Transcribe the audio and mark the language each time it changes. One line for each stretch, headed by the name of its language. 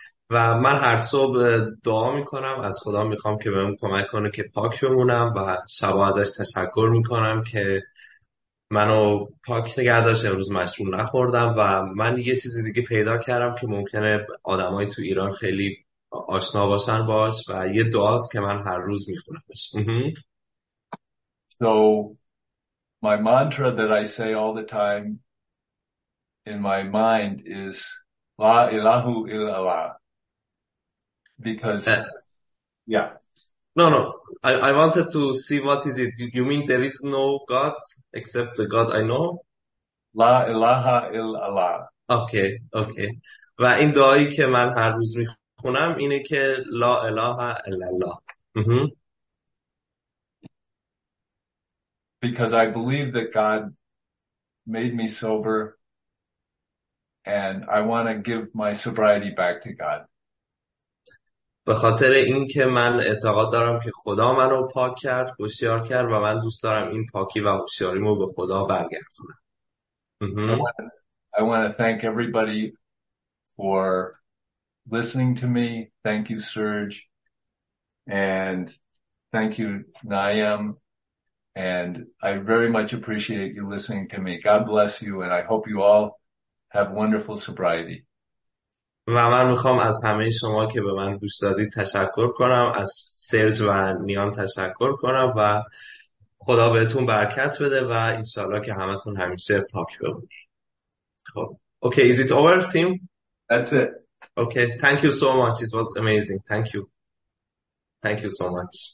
Persian: و من هر صبح دعا میکنم، از خدا میخوام که بهم کمک کنه که پاک بمونم، و شبا ازش تشکر میکنم که منو پاک نگه داشت، امروز مشروب نخوردم. و من یه چیز دیگه پیدا کردم که ممکنه آدمای تو ایران خیلی آشنا باشن باش، و یه دعاست که من هر روز میخونم.
English: So my mantra that I say all the time in my mind is
Arabic: La ilahu illallah.
English: Because I wanted to see what is it. You mean there is no God except the God I know?
Arabic: La ilaha illallah.
English: Okay.
Persian: و این دعایی که من هر روز میخونم اینه که
Arabic: لا اله الا الله.
English: Because I believe that God made me sober and I want to give my sobriety back to God.
Persian: به خاطر این که من اعتقاد دارم که خدا منو پاک کرد، هوشیار کرد، و من دوست دارم این پاکی و هوشیاریمو به خدا برگردونم.
English: I want to thank everybody for listening to me. Thank you, Serge. And thank you, Nayam. And I very much appreciate you listening to me. God bless you, and I hope you all have wonderful sobriety.
Persian: و من میخوام از همه شما که به من گوش دادید تشکر کنم، از سرج و نیان تشکر کنم، و خدا بهتون برکت بده، و انشاءالله که همتون همیشه پاک بمونید.
English: خب. Okay, is it over, team? That's it. Okay, thank you so much. It was amazing. Thank you. Thank you so much.